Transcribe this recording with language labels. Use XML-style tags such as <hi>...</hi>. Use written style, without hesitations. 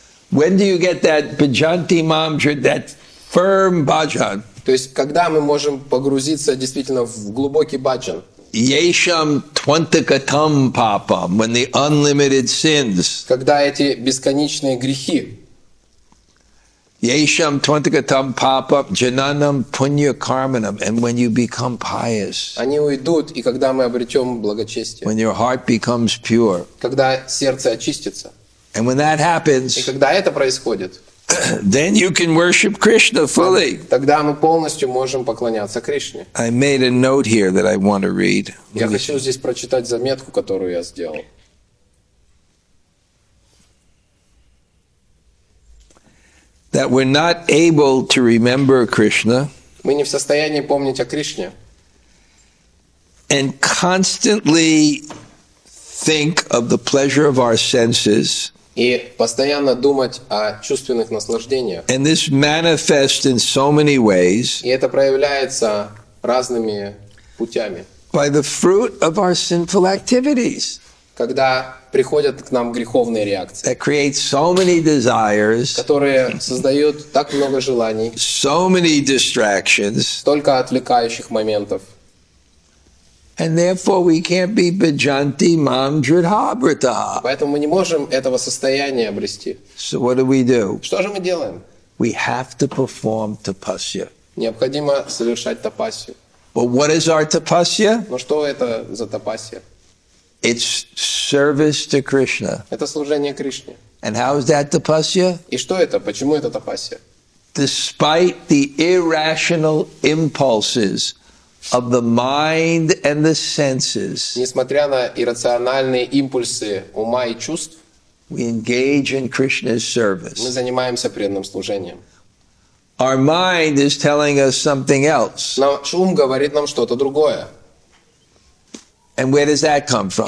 <en>When do you get that</en> <sa>bhajanti mam dridh,</sa> <en>that firm bhajan?</en> <ru>То есть, когда мы можем погрузиться действительно в глубокий бхаджан?</ru> <sa>Yesham twantakatam papam,</sa> <en>when the unlimited sins.</en> <ru>Когда эти бесконечные грехи.</ru> <sa>Yesham twantikatam papam jananam punya karmanam,</sa> <en>and when you become pious,</en> <ru>они уйдут, и когда мы обретем благочестие,</ru> <en>when your heart becomes pure,</en> <ru>когда сердце очистится,</ru> <en>and when that happens,</en> <ru>и когда это происходит,</ru> <en>then you can worship Krishna fully.</en> <ru>Тогда мы полностью можем поклоняться Кришне.</ru> <en>I made a note here that I want to read.</en> <ru>Я хочу здесь прочитать заметку, которую я сделал.</ru> <en>That we're not able to remember Krishna.</en> <ru>Мы не в состоянии помнить о Кришне.</ru> <en>And constantly think of the pleasure of our senses.</en> <ru>И постоянно думать о чувственных наслаждениях.</ru> <en>And this manifests in so many ways.</en> <ru>И это проявляется разными путями.</ru> <en>By the fruit of our sinful activities.</en> <ru>Когда приходят к нам греховные реакции,</ru> <en>that create so many desires,</en> <ru>которые создают так много желаний,</ru> <en>so many distractions,</en> <ru>столько отвлекающих моментов,</ru> <en>and therefore we can't be</en> <sa>bhajanti mam dridhabrita.</sa> <ru>Поэтому мы не можем этого состояния обрести.</ru> <en>So what do we do?</en> <ru>Что же мы делаем?</ru> <en>We have to perform tapasya.</en> <ru>Необходимо совершать тапасию.</ru> <en>But what is our tapasya?</en> <ru>Но что это за тапасия?</ru> <en>It's service to Krishna.</en> <ru>Это служение Кришне.</ru> <en>And how is that tapasya?</en> <ru>И что это? Почему это тапасья?</ru> <en>Despite the irrational impulses of the mind and the senses.</en> <ru>Несмотря на иррациональные импульсы ума и чувств.</ru> <en>We engage in Krishna's service.</en> <ru>Мы занимаемся преданным служением.</ru> <en>Our mind is telling us something else.</en> <ru>Наш ум говорит нам что-то другое.</ru> <en>And where does that come from?</en>